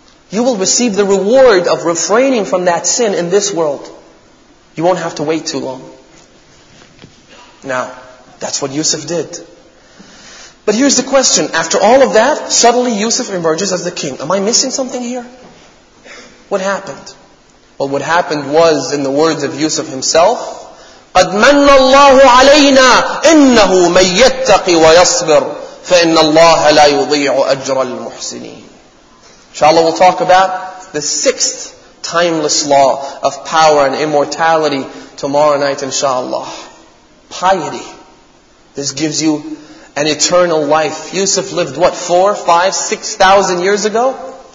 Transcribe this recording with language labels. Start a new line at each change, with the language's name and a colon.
English: You will receive the reward of refraining from that sin in this world. You won't have to wait too long. Now, that's what Yusuf did. But here's the question. After all of that, suddenly Yusuf emerges as the king. Am I missing something here? What happened? Well, what happened was, in the words of Yusuf himself,
Arabic: قَدْ مَنَّ اللَّهُ عَلَيْنَا إِنَّهُ مَنْ يَتَّقِ وَيَصْبِرْ فَإِنَّ اللَّهَ لَا يُضِيعُ أَجْرَ الْمُحْسِنِينَ.
English: Inshallah, we'll talk about the 6th timeless law of power and immortality tomorrow night, inshallah. Piety. This gives you an eternal life. Yusuf lived, what, 4, 5, 6,000 years ago?